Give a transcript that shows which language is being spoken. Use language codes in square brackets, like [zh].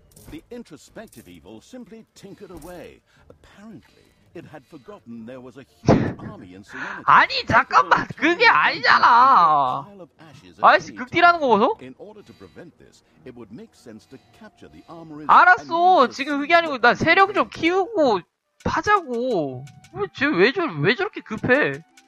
[en] The introspective evil simply tinkered away. Apparently, it had forgotten there was a huge army in Serenity. [ko] 아니 잠깐만 그게 아니잖아. 아이씨 극딜하는 거 보소? [en] In order to prevent this, it would make sense to capture the armory. [ko] 알았어 지금 그게 아니고 나 세력 좀 키우고 파자고. 왜 저렇게 급해?